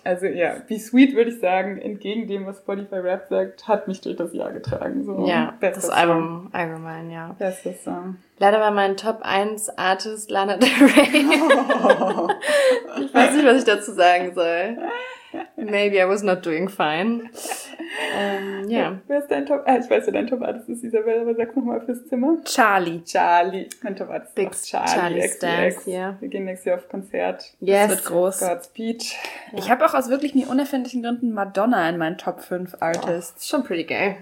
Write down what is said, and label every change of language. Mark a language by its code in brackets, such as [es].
[de] Also ja, be sweet würde ich sagen, entgegen dem, was Spotify Rap sagt, hat mich durch das Jahr getragen. So. Ja, bestes das Album Song. Allgemein, ja. Bestes Song. Leider war mein Top 1 Artist Lana Del Rey. Ich weiß nicht, was ich dazu sagen soll. [en] Maybe I was not doing fine. [de] Wer ist dein Top? Ich weiß ja, dein Top Artist ist Isabel, aber sag nochmal fürs Zimmer. Charlie. Mein Top Artist ist auch Charlie. Charlie Stacks, ja. Wir gehen nächstes Jahr auf Konzert. Yes. Das wird groß. [en] Godspeed. [de] Ja. Ich habe auch aus wirklich nie unerfindlichen Gründen Madonna in meinen Top 5 Artists. Oh, schon [en] pretty gay.